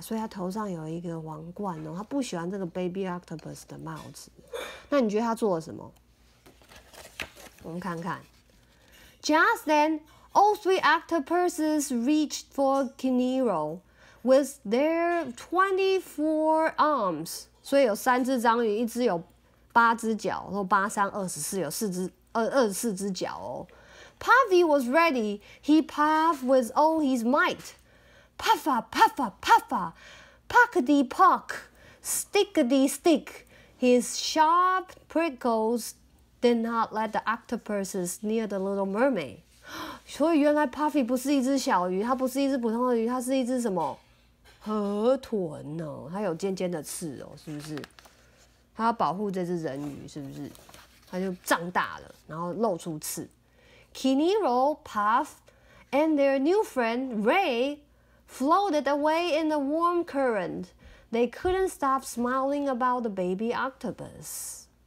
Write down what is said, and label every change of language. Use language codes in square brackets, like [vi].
[zh] 所以她头上有一个王冠哦，她不喜欢这个 [en] baby octopus [zh] 的帽子。那你觉得她做了什么？我们看看。 [en] Just then, all three octopuses reached for Kiniro with their 24 arms. [zh] 所以有三只章鱼，一只有八只脚，然后八三二十四，有二十四只脚哦。 [en] Puffy was ready. He puffed with all his might. Puffa, puffa, puffa. Puckety puck, stickety stick. His sharp prickles did not let the octopus near the little mermaid. [zh] 所以原来 Puffy 不是一只小鱼，它不是一只普通的鱼，它是一只什么？河豚哦，它有尖尖的刺哦，是不是？它要保护这只人鱼，是不是？它就胀大了，然后露出刺。 [en] Kiniro, Puff, and their new friend Ray floated away in the warm current. They couldn't stop smiling about the baby octopus.